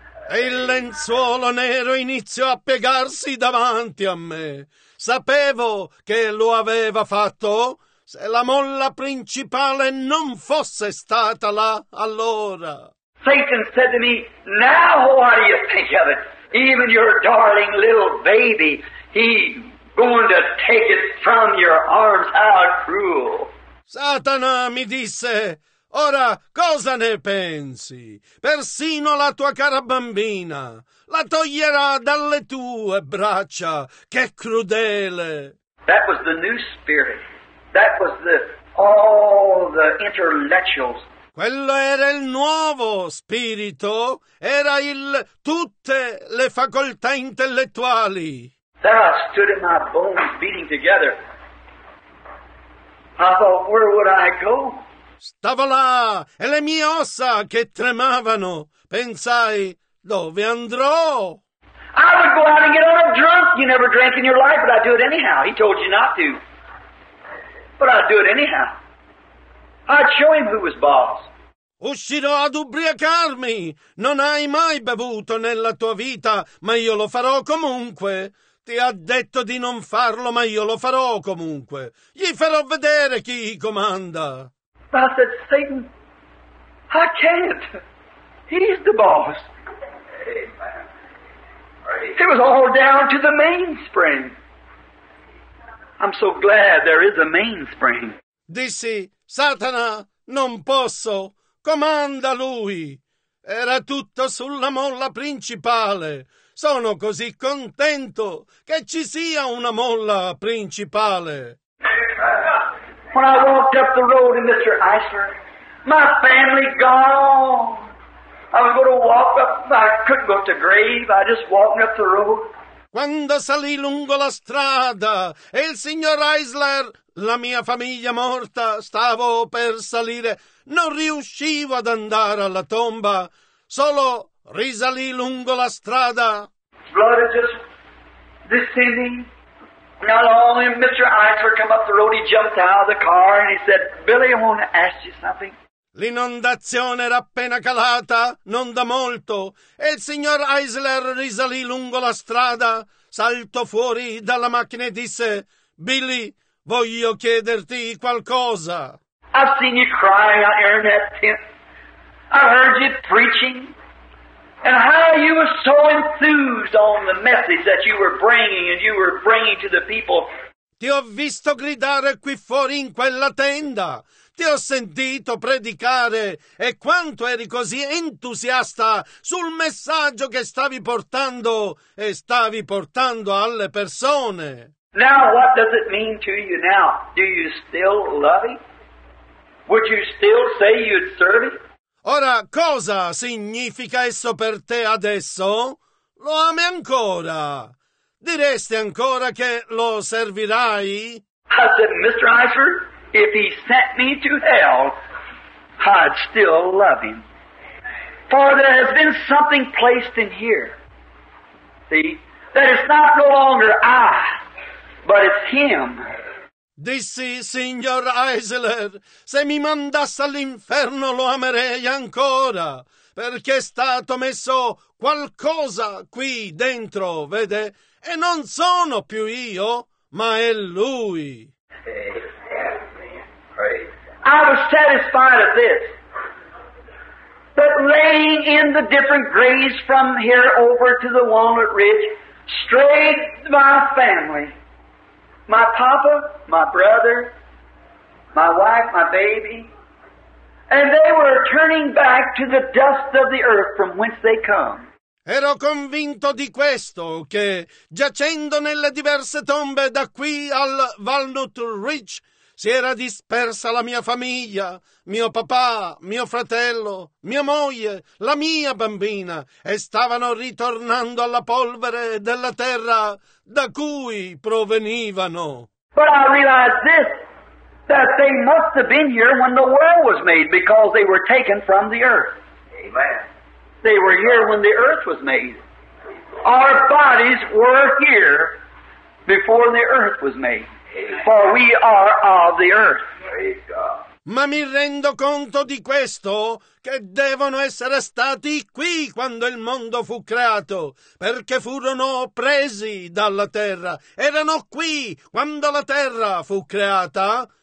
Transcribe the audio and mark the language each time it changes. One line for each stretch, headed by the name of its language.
Italian: E il lenzuolo nero iniziò a piegarsi davanti a me. Sapevo che lo aveva fatto. Se la molla principale non fosse stata là, allora.
English: Satan said to me, now what do you think of it? Even your darling little baby, he going to take it from your arms. How cruel.
Italian: Satana mi disse, ora cosa ne pensi? Persino la tua cara bambina la toglierà dalle tue braccia. Che crudele!
English: That was the new spirit. That was the all the intellectuals.
Italian: Quello era il nuovo spirito. Era il tutte le facoltà intellettuali.
English: There I stood in my bones beating together. I thought, where would I go?
Italian: Stavo là, e le mie ossa che tremavano, pensai, dove andrò?
English: I would go out and get all drunk. You never drank in your life, but I'd do it anyhow. He told you not to. But I'd do it anyhow. I'd show him who was boss.
Italian: Uscirò ad ubriacarmi. Non hai mai bevuto nella tua vita, ma io lo farò comunque. Ti ha detto di non farlo, ma io lo farò comunque. Gli farò vedere chi comanda.
English: I said, Satan, I can't. He is the boss. Amen. It was all down to the mainspring. I'm so glad there is a mainspring.
Italian: Dissi, Satana, non posso. Comanda lui. Era tutto sulla molla principale. Sono così contento che ci sia una molla principale.
English: When I walked up the road in Mr. Eisler, my family gone. I was going to walk up, I couldn't go to the grave, I just walked up the road.
Italian: Quando salì lungo la strada e il signor Eisler La mia famiglia morta, stavo per salire, non riuscivo ad andare alla tomba, solo risalì lungo la strada.
English: Blood is just descending. Not only Mr. Eisler come up the road, he jumped out of the car and he said, Billy, I want to ask you something.
Italian: L'inondazione era appena calata, non da molto, e il signor Eisler risalì lungo la strada, saltò fuori dalla macchina e disse, Billy, voglio chiederti qualcosa.
English: I've seen you crying out here in that tent. I heard you preaching. And how you were so enthused on the message that you were bringing and you were bringing to the people.
Italian: Ti ho visto gridare qui fuori in quella tenda. Ti ho sentito predicare e quanto eri così entusiasta sul messaggio che stavi portando e stavi portando alle persone.
English: Now what does it mean to you now? Do you still love him? Would you still say you'd serve him?
Italian: Ora cosa significa esso per te adesso? Lo ami ancora? Diresti ancora che lo servirai?
English: I said, Mr. Eisler, if he sent me to hell, I'd still love him. For there has been something placed in here, see, that it's not no longer I, but it's him.
Italian: Dissi, signor Eisler, se mi mandasse all'inferno lo amerei ancora, perché è stato messo qualcosa qui dentro, vede, e non sono più io, ma è lui.
English: I was satisfied of this, but laying in the different graves from here over to the Walnut Ridge, straight my family, my papa, my brother, my wife, my baby, and they were turning back to the dust of the earth from whence they come.
Italian: Ero convinto di questo, che giacendo nelle diverse tombe da qui al Walnut Ridge, si era dispersa la mia famiglia, mio papà, mio fratello, mia moglie, la mia bambina, e stavano ritornando alla polvere della terra da cui provenivano.
English: But I realized this, that they must have been here when the world was made, because they were taken from the earth. Amen. They were here when the earth was made. Our bodies were here before the earth was made. For we are of the earth.
Italian: Ma mi rendo conto di questo, che devono essere stati qui quando il mondo fu creato, perché furono presi dalla terra. Erano qui quando la terra fu creata.